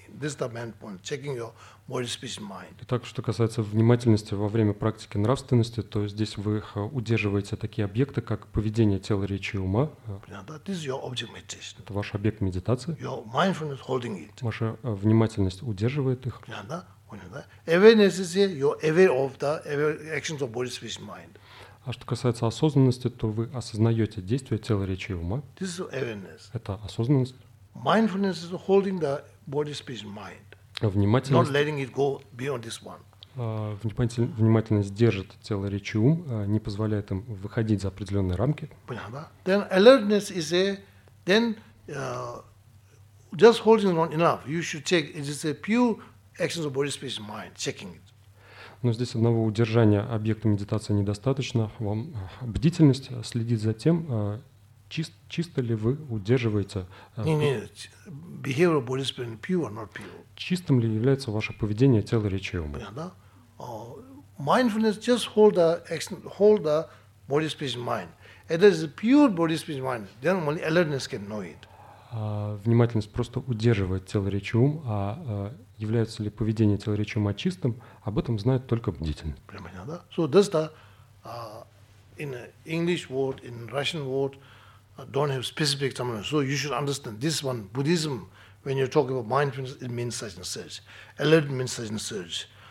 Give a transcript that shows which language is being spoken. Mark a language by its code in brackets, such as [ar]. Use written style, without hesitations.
[en] This is the main point, checking your body, speech, mind. [ru] Итак, что касается внимательности во время практики нравственности, то здесь вы удерживаете такие объекты, как поведение тела, речи и ума. [en] This is your object meditation. [ru] Это ваш объект медитации. [en] Your mindfulness holding it. [ru] Ваша внимательность удерживает их. [en] Awareness is here, you're aware of the actions of body, speech, mind. [ru] А что касается осознанности, то вы осознаете действия тела, речи и ума. [en] This is awareness. [ru] Это осознанность. [en] Mindfulness is holding the body, speech, mind. [ru] Внимательность. [en] Not letting it go beyond this one. [ru] Внимательность держит тело, речи и ум, не позволяет им выходить за определенные рамки. Понятно, да? [en] Then alertness is a, then just holding on enough. You should check, it is a pure actions of body, speech, mind, checking it. [ru] Но здесь одного удержания объекта медитации недостаточно. Вам бдительность следит за тем, чисто ли вы удерживаете… Нет, [en] behavior of body, speech, pure or not pure. [ru] Чистым ли является ваше поведение тела, речи и ума? Понятно, да? [en] Mindfulness just hold the body, speech, mind. If there is a pure body, speech, mind, then only alertness can know it. [ru] Внимательность просто удерживает тело, речи и ум, а является ли поведение тела, речи и ума чистым, об этом знает только бдительность. Понятно, да? [en] So that's the, in English word, in Russian word, don't have specific terminology. So you should understand this one, Buddhism, when you talk about mindfulness, it means such and such. Alert means such and such.